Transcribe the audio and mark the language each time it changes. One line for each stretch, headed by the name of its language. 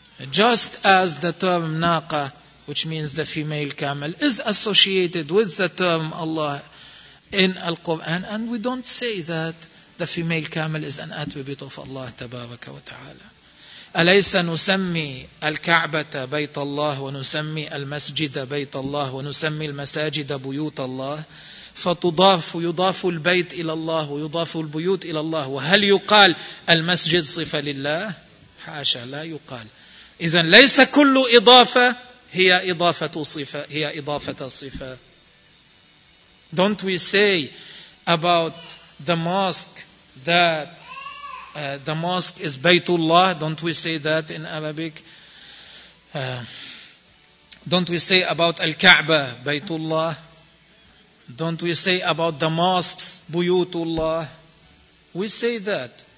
English: Just as the term naqa, which means the female camel, is associated with the term Allah in Al-Quran, and we don't say that the female camel is an attribute of Allah Tabaraka wa Ta'ala.
Arabic: أليس نسمي الكعبة بيت الله ونسمي المسجد بيت الله ونسمي المساجد بيوت الله فتضاف يضاف البيت إلى الله ويضاف البيوت إلى الله وهل يقال المسجد صفة لله؟ حاشا لا يقال. إذن ليس كل إضافة هي إضافة صفة هي إضافة صفة.
English: Don't we say about the mosque that the mosque is Baytullah? Don't we say that in Arabic? Don't we say about Al-Ka'ba Baytullah? Don't we say about the mosques Buyutullah? We say that.